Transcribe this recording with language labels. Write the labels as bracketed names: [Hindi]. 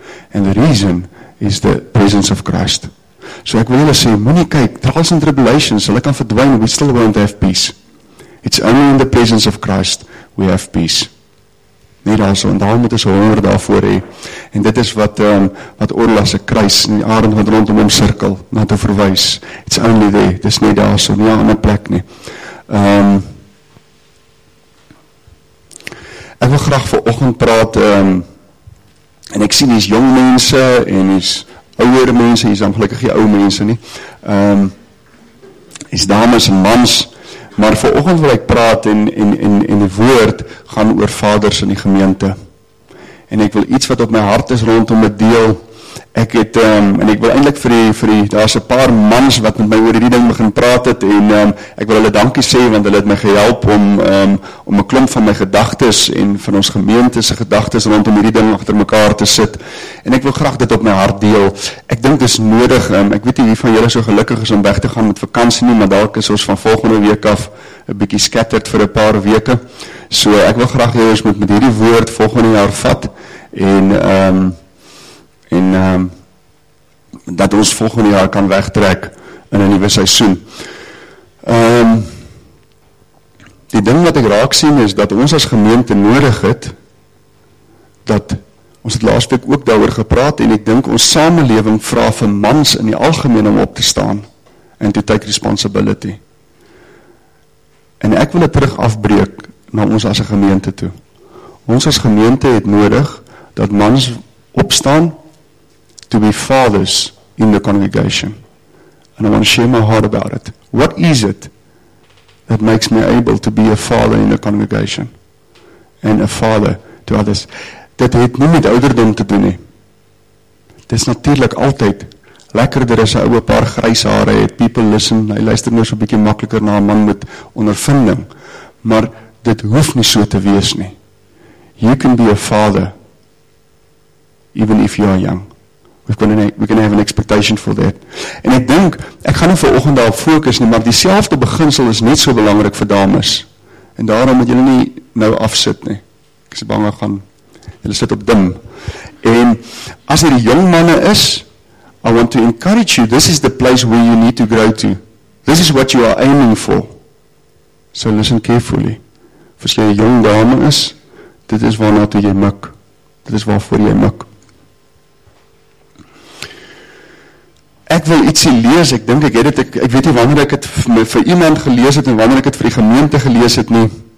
[English] And the reason is the presence of Christ. So [Afrikaans] ek wil julle sê, moenie kyk, [English] trials and tribulations, [Afrikaans] hulle kan verdwyn, [English] we still won't have peace. It's only in the presence of Christ we have peace. [Afrikaans] Nie daar so, en daar moet ons honger daarvoor hee. En dit is wat wat Orla se kruis in die arend wat rondom hom sirkel na te verwys. [English] It's only there, [Afrikaans] dit is nie daar so, nie aan die plek nie. Ek wil graag vir oggend praat, en ek sien hier is jong mense, en hier is ouwere mense, hier is dan gelukkig die ou mense nie. Hier is dames en mans, maar vanoggend wil ek praat en die woord gaan oor vaders in die gemeente. En ek wil iets wat op my hart is rondom dit deel. Ek het en ek wil eintlik vir die daar's 'n paar mans wat met my oor hierdie ding begin praat het, en ek wil hulle dankie sê, want hulle het my gehelp om 'n klomp van my gedagtes en van ons gemeente se gedagtes rondom hierdie ding agter mekaar te sit. En ek wil graag dit op my hart deel. Ek dink dis nodig. Ek weet nie wie van julle so gelukkig is om weg te gaan met vakansie nie, maar dalk is ons van volgende week af 'n bietjie scattered vir 'n paar weke. So ek wil graag hê ons moet met hierdie woord volgende jaar vat en dat ons volgende jaar kan wegtrek in 'n nuwe seisoen. Die ding wat ek raak sien is dat ons as gemeente nodig het, dat ons het laas week ook daaroor gepraat, en ek dink ons samelewing vra vir mans in die algemeen om op te staan en [English] to take responsibility. [Afrikaans] En ek wil dit terug afbreek na ons as 'n gemeente toe. Ons as gemeente het nodig dat mans opstaan [English] to be fathers in the congregation. And I want to share my heart about it. What is it that makes me able to be a father in the congregation and a father to others? [Afrikaans] Dit het nie met ouderdom te doen nie. Dit is natuurlik altyd lekkerder as 'n ouwe paar grys hare het. [English] People listen, [Afrikaans] hy luister nou so 'n bietjie makliker na 'n man met ondervinding. Maar dit hoef nie so te wees nie. [English] You can be a father even if you are young. We can have an expectation for that. [Afrikaans] En ek dink, ek gaan nie vir oggend daar fokus nie, maar dieselfde beginsel is net so belangrik vir dames. En daarom moet julle nie nou afsit nie. Ek is bang, julle sit op dim. En as hier die jong manne is, [English] I want to encourage you, this is the place where you need to grow to. This is what you are aiming for. So listen carefully. [Afrikaans] As jy 'n jong dame is, dit is waarna toe jy mik. Dit is waarvoor jy mik. Ek wil ietsie lees, ek dink ek het dit, ek weet nie wanneer ek dit vir iemand gelees het en wanneer ek dit vir die gemeente gelees het nie.